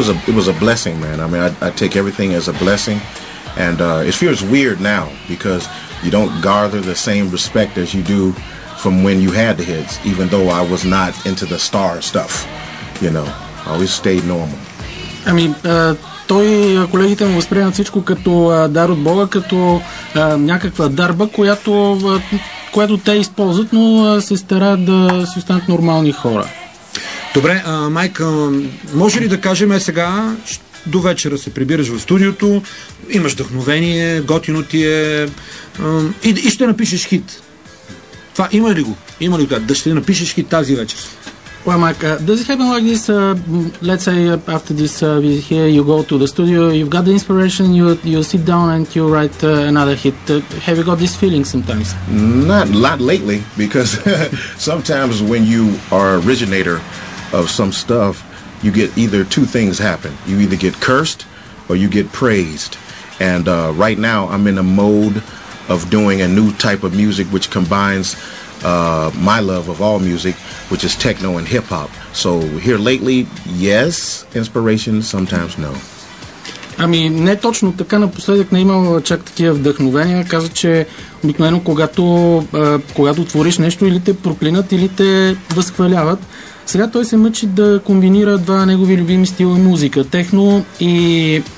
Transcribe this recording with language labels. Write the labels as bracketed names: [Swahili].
[English] It was a blessing, man. I mean, I take everything as a blessing, and it feels weird now because you don't garner the same respect as you do from when you had the hits, even though I was not into the star stuff. You know, I always stayed normal. I mean, [Bulgarian] той, колегите му възприемат всичко като дар от Бога, като някаква дарба, която те използват, но се стараят да си останат нормални хора. Добре, Майк, може ли да кажем сега, до вечера се прибираш в студиото, имаш вдъхновение, готино ти е и ще напишеш хит. Това има ли го? Има ли го? Да ще напишеш хит тази вечер? [English] Well, Mike, does it happen like this? Let's say after this visit here, you go to the studio, you've got the inspiration, you sit down and you write another hit. Have you got this feeling sometimes? Not lately, because sometimes when you are originator of some stuff, you get either two things happen. You either get cursed or you get praised. And right now, I'm in a mode of doing a new type of music which combines my love of all music, which is techno and hip hop. So here lately, yes, inspiration, sometimes no. [Bulgarian] Ами, не точно така, напоследък не имам чак такива вдъхновения. Каза, че обикновено когато твориш нещо, или те проклинат, или те възхваляват. Сега той се мъчи да комбинира два негови любими стила музика, техно и